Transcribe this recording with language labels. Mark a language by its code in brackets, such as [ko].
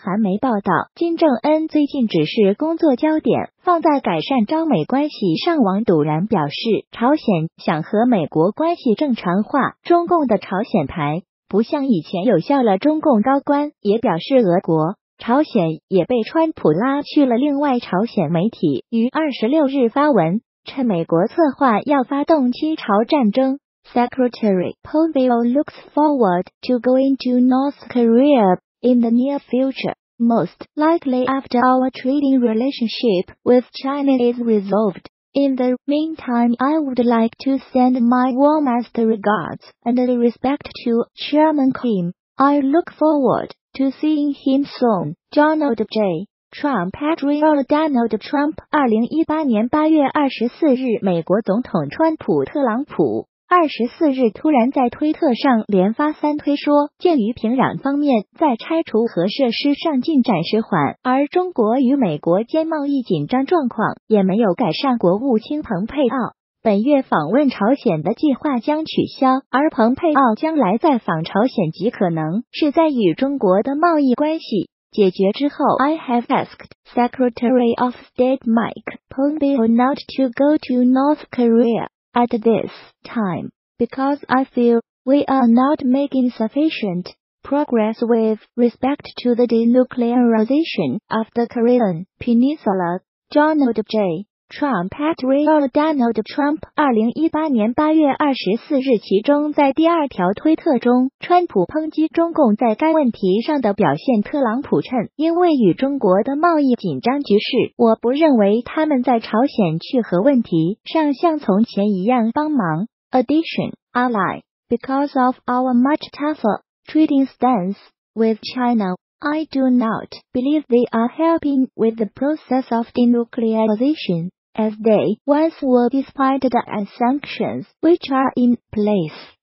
[zh] 韩媒报道金正恩最近只是工作焦点放在改善朝美关系上。王笃然表示，朝鲜想和美国关系正常化，中共的朝鲜台不像以前有效了。中共高官也表示，俄国朝鲜也被川普拉去了。另外朝鲜媒体于26日发文，趁美国策划要发动侵朝战争， [en] Secretary Pompeo looks forward to going to North Korea in the near future, most likely after our trading relationship with China is resolved. In the meantime, I would like to send my warmest regards and respect to Chairman Kim. I look forward to seeing him soon. Donald J. [zh] Trump Patriot Donald Trump 2018年8月24日，美国总统川普特朗普24日突然在推特上连发三推，说鉴于平壤方面在拆除核设施上进展迟缓，而中国与美国间贸易紧张状况也没有改善，国务卿蓬佩奥本月访问朝鲜的计划将取消，而蓬佩奥将来再访朝鲜极可能是在与中国的贸易关系解决之后。 [en] I have asked Secretary of State Mike Pompeo not to go to North Korea at this time because I feel we are not making sufficient progress with respect to the denuclearization of the Korean Peninsula. [zh] Donald J. Trump Patriot Donald Trump 2018年8月24日。其中在第二条推特中，川普抨击中共在该问题上的表现，特朗普称因为与中国的贸易紧张局势，我不认为他们在朝鲜去核问题上像从前一样帮忙。 [en] Addition Ally Because of our much tougher trading stance with ChinaI do not believe they are helping with the process of denuclearization, as they once were despite the sanctions which are in place.